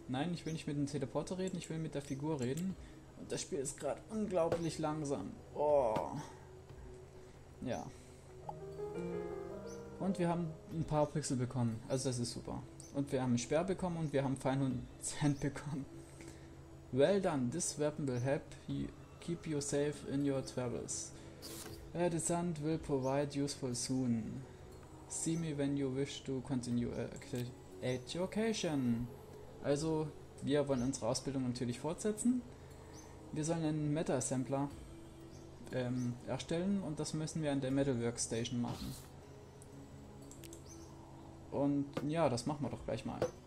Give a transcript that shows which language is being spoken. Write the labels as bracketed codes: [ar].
[de] Nein, ich will nicht mit dem Teleporter reden, ich will mit der Figur reden. Und das Spiel ist gerade unglaublich langsam. Oh. Ja. Und wir haben ein paar Pixel bekommen. Also das ist super. Und wir haben ein Speer bekommen und wir haben feinen Sand bekommen. [en] Well done. This weapon will help you keep you safe in your travels. The sand will provide useful soon. See me when you wish to continue education. [de] Also, wir wollen unsere Ausbildung natürlich fortsetzen. Wir sollen einen Meta-Assembler erstellen und das müssen wir an der Metal Workstation machen. Und ja, das machen wir doch gleich mal.